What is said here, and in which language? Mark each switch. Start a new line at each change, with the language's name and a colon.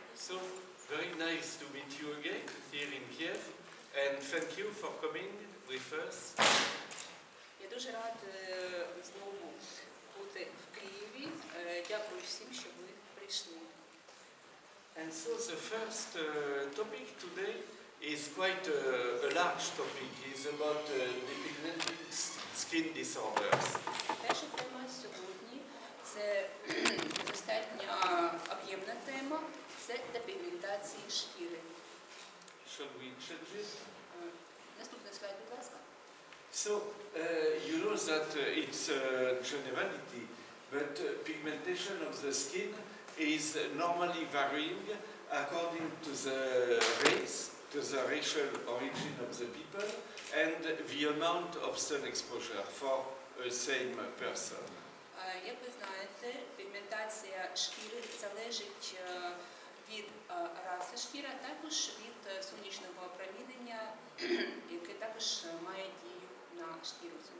English: So, very nice to meet you again here in Kiev, and thank you for coming with us.
Ukrainian: Я дуже рад знову бути в Києві. Дякую всім, що ви прийшли.
English: And so, the first topic today is quite a large topic. It's about depigmented skin disorders.
Ukrainian: Перша тема сьогодні – це достатньо об'ємна тема. Це депігментації шкіри.
English: Should we change this?
Ukrainian: Наступний слайд, будь ласка.
English: So, you know that it's a generality, but pigmentation of the skin is normally varying according to the race, to the racial origin of the people, and the amount of sun exposure for the same person.
Ukrainian: Як ви знаєте, пігментація шкіри залежить від раси шкіри, а також від сонячного опромінення, яке також має дію на шкіру.